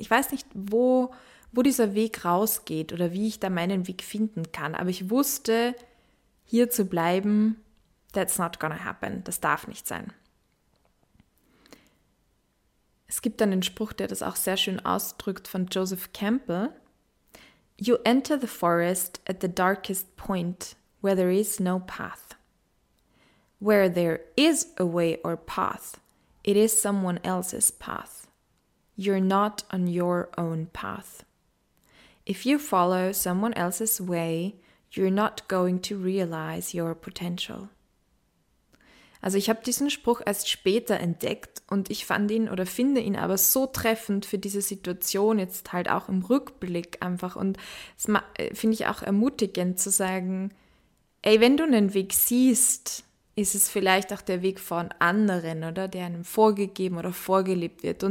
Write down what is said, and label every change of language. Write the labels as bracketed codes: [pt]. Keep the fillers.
[de] Ich weiß nicht, wo, wo dieser Weg rausgeht oder wie ich da meinen Weg finden kann, aber ich wusste, hier zu bleiben, [en] that's not gonna happen. [de] Das darf nicht sein. Es gibt einen Spruch, der das auch sehr schön ausdrückt von Joseph Campbell. [en] You enter the forest at the darkest point where there is no path. Where there is a way or path, it is someone else's path. You're not on your own path. If you follow someone else's way, you're not going to realize your potential. [de] Also ich habe diesen Spruch erst später entdeckt und ich fand ihn oder finde ihn aber so treffend für diese Situation jetzt halt auch im Rückblick einfach und finde ich auch ermutigend zu sagen, ey, wenn du einen Weg siehst, ist es vielleicht auch der Weg von anderen oder der einem vorgegeben oder vorgelebt wird.